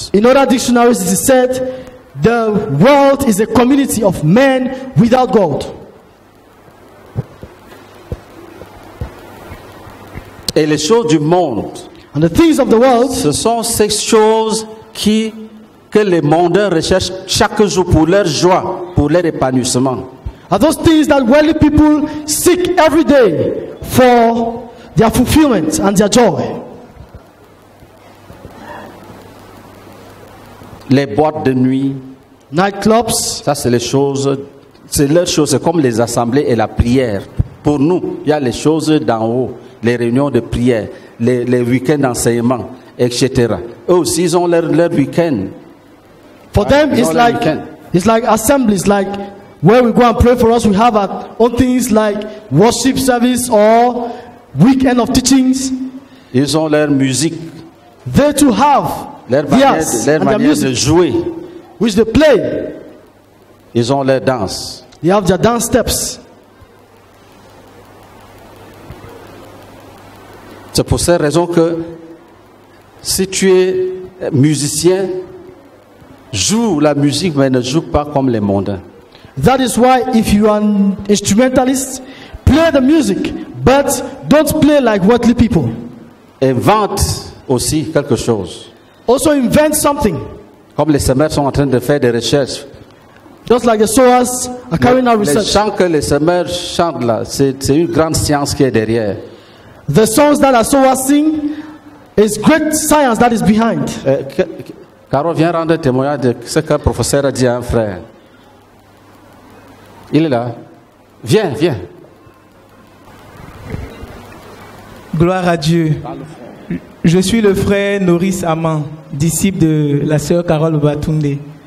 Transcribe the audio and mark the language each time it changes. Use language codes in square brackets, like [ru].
[en] In other dictionaries, it is said, the world is a community of men without God. [fr] Et les choses du monde. [en] And the things of the world. [fr] Ce sont ces choses que les mondains recherchent chaque jour pour leur joie, pour leur épanouissement. [en] Are those things that worldly people seek every day for their fulfillment and their joy? [fr] Les boîtes de nuit. [en] Nightclubs. [fr] Ça, c'est les choses. C'est leurs choses. C'est comme les assemblées et la prière. Pour nous, il y a les choses d'en haut. Les réunions de prière, les week-ends d'enseignement, etc. Eux aussi, ils ont leur week-end. [en] For them, it's like weekend. It's like assembly. It's like where we go and pray for us. We have our own things like worship service or weekend of teachings. [fr] Ils ont leur musique. [en] They too have [fr] leur manière, [en] yes, [fr] leur manière [en] their music, [fr] de jouer. [en] Which they play. [fr] Ils ont leur danse. [en] They have their dance steps. [fr] C'est pour cette raison que si tu es musicien, joue la musique, mais ne joue pas comme les mondains. [en] That is why if you are an instrumentalist, play the music, but don't play like worldly people. [fr] Invente aussi quelque chose. [en] Also invent something. [fr] Comme les semeurs sont en train de faire des recherches. [en] Just like the sowers are carrying out research. [fr] Les chants que les semeurs chantent là, c'est une grande science qui est derrière. [en] The songs that are sowers sing is great science that is behind. [fr] Carole vient rendre témoignage de ce que le professeur a dit à un frère. Il est là. Viens, viens. Gloire à Dieu. Je suis le frère Noris Aman, disciple de la sœur Carole Obatunde.